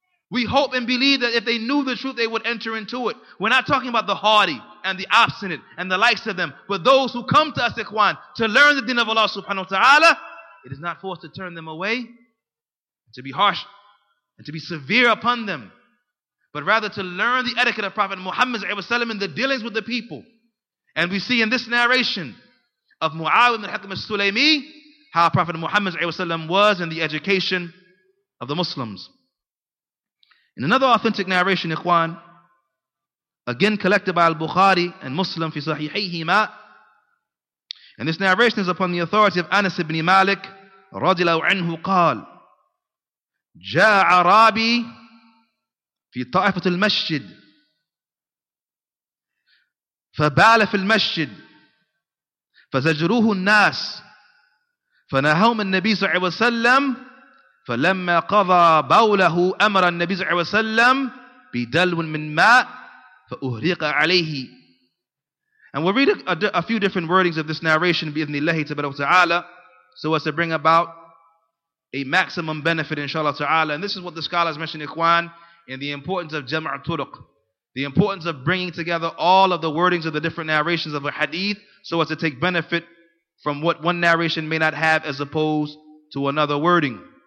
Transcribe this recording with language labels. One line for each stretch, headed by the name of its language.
English: We hope and believe that if they knew the truth, they would enter into it. We're not talking about the haughty and the obstinate and the likes of them, but those who come to us, Ikhwan, to learn the deen of Allah subhanahu wa ta'ala, it is not for us to turn them away, to be harsh, and to be severe upon them, but rather to learn the etiquette of Prophet Muhammad sallallahu alaihi wasallam in the dealings with the people. And we see in this narration of Mu'awiyah ibn al-Hakim al-Sulaymi how Prophet Muhammad sallallahu alaihi wasallam was in the education of the Muslims. In another authentic narration, Ikhwan, again collected by al-Bukhari and Muslim fi sahihihima, and this narration is upon the authority of Anas ibn Malik radiallahu anhu qal,
Arabic: جاء عربي في طائفة المسجد فبال في المسجد فزجروه الناس فنهوم النبي صلى الله عليه وسلم فلما قضى بوله أمر النبي صلى الله عليه وسلم بدلو من ماء فأهريق عليه.
English: And we'll read a few different wordings of this narration
Arabic: بإذن الله تبارك وتعالى
English: so as to bring about a maximum benefit, inshallah ta'ala. And this is what the scholars mentioned, Ikhwan, in the importance of jam' turuq, the importance of bringing together all of the wordings of the different narrations of a hadith so as to take benefit from what one narration may not have as opposed to another wording.